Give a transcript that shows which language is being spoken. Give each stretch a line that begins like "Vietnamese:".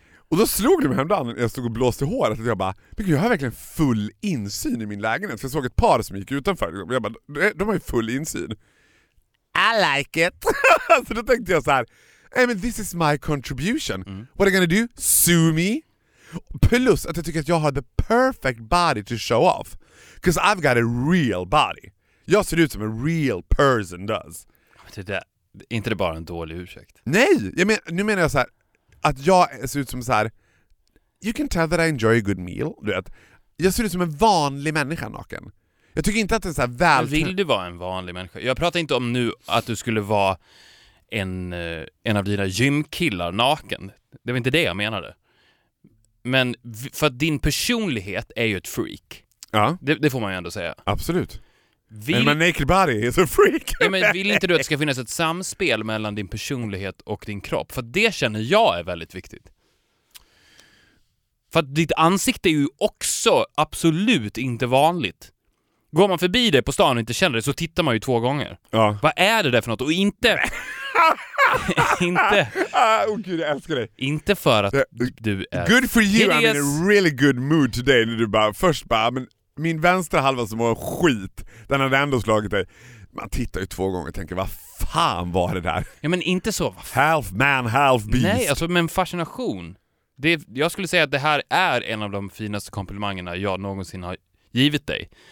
Swedish: Och då slog det mig häromdagen när jag stod och blåste håret. Jag bara, men gud, jag har verkligen full insyn i min lägenhet. För jag såg ett par som gick utanför. Jag bara, de har ju full insyn.
English: I like it.
Swedish: Så då tänkte jag så här,
English: I mean, this is my contribution. Mm. What are you gonna do? Sue me?
Swedish: Plus att jag tycker att jag har
English: the perfect body to show off. Because I've got a real body.
Swedish: Jag ser ut som
English: a real person does.
Swedish: Men det är inte det bara en dålig ursäkt? Nej, jag men, nu menar jag så här. Att jag ser ut som så här,
English: you can tell that I enjoy a good meal.
Swedish: Du vet, jag ser ut som en vanlig människa naken. Jag tycker inte att det är så här väl... Men vill du vara en vanlig människa? Jag pratar inte om nu att du skulle vara en av dina gymkillar naken. Det var inte det jag menade. Men för att din personlighet är ju ett freak. Ja. Det får man ju ändå säga. Absolut.
English: Men my naked body is a freak.
Swedish: Ja, men vill inte du att det ska finnas ett samspel mellan din personlighet och din kropp? För det känner jag är väldigt viktigt. För att ditt ansikte är ju också absolut inte vanligt. Går man förbi dig på stan och inte känner det, så tittar man ju två gånger. Ja. Vad är det där för något? Och inte... inte... Oh, gud, jag älskar dig. Inte för att du är...
English: Good for you, I'm in a really good mood today.
Swedish: När du bara, först bara... Men... Min vänstra halva som var skit, den hade ändå slagit dig. Man tittar ju två gånger och tänker, vad fan var det där? Ja, men inte så.
English: Half man, half beast.
Swedish: Nej, alltså, men fascination. Jag skulle säga att det här är en av de finaste komplimangerna jag någonsin har givit dig.